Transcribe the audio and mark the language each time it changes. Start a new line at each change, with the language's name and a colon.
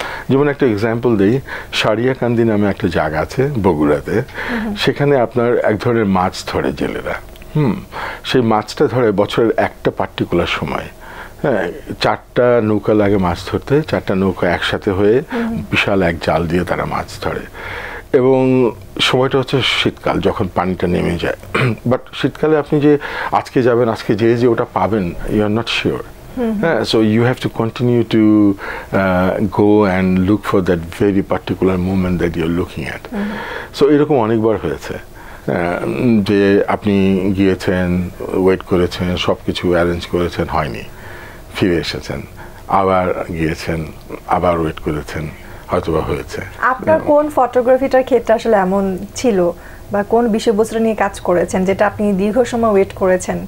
Bangla: যেমন একটা এক্সাম্পল দিই, সারিয়াকান্দি নামে একটা জায়গা আছে বগুড়াতে, সেখানে আপনার এক ধরনের মাছ ধরে জেলেরা, সেই মাছটা ধরে বছরের একটা পার্টিকুলার সময়, হ্যাঁ, 4টা নৌকা লাগে মাছ ধরতে, 4টা নৌকা একসাথে হয়ে বিশাল এক জাল দিয়ে তারা মাছ ধরে, এবং সময়টা হচ্ছে শীতকাল যখন পানিটা নেমে যায়। বাট শীতকালে আপনি যে আজকে যাবেন, আজকে যেয়ে যে ওটা পাবেন,
English: You are not sure. So you have to continue to go and look for that very particular moment that you're looking at.
Bangla: So এরকম অনেকবার হয়েছে যে আপনি গিয়েছেন, ওয়েট করেছেন, সব কিছু অ্যারেঞ্জ করেছেন, হয়নি, ফিরে এসেছেন, আবার গিয়েছেন, আবার ওয়েট করেছেন, হয়তোবা হয়েছে। আপনার কোন ফটোগ্রাফিটার ক্ষেত্রে আসলে এমন ছিল বা কোন বিষয়বস্তু নিয়ে কাজ করেছেন যেটা আপনি দীর্ঘ সময় ওয়েট করেছেন?